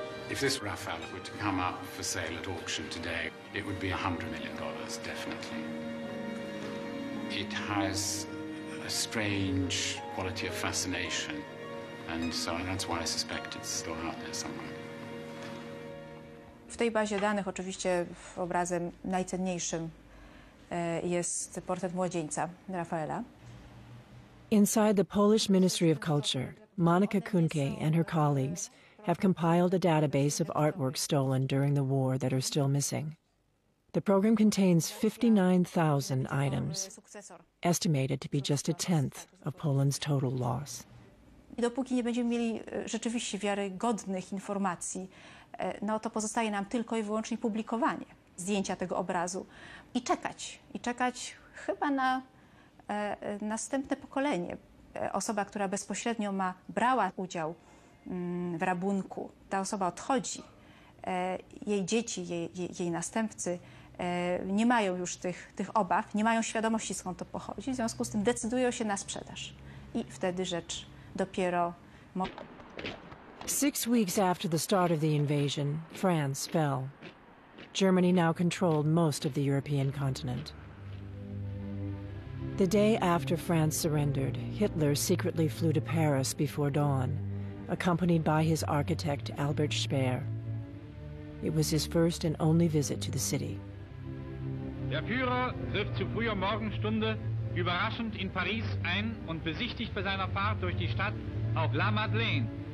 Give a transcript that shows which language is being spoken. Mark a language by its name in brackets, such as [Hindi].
[English] If this Raphael were to come up for sale at auction today, it would be $100 million, definitely. It has a strange quality of fascination, and so that's why I suspect it's still out there somewhere. [Polish] W tej bazie danych, oczywiście obrazem najcenniejszym jest portret młodzieńca Rafaela. [English] Inside the Polish Ministry of Culture, Monica Kunke and her colleagues have compiled a database of artworks stolen during the war that are still missing. The program contains 59,000 items, estimated to be just a tenth of Poland's total loss. [Polish] Dopóki nie będziemy mieli rzeczywiście wiarygodnych informacji, no to pozostaje nam tylko i wyłącznie publikowanie zdjęcia tego obrazu i czekać. I czekać chyba na następne pokolenie. Osoba, która bezpośrednio brała udział w rabunku, ta osoba odchodzi. Jej dzieci, jej następcy nie mają już tych obaw, nie mają świadomości, skąd to pochodzi. W związku z tym decydują się na sprzedaż. I wtedy rzecz dopiero... [English] 6 weeks after the start of the invasion, France fell. Germany now controlled most of the European continent. The day after France surrendered, Hitler secretly flew to Paris before dawn, accompanied by his architect Albert Speer. It was his first and only visit to the city. [German] Der Führer trifft zu früher Morgenstunde überraschend in Paris ein und besichtigt bei seiner Fahrt durch die Stadt auf La Madeleine.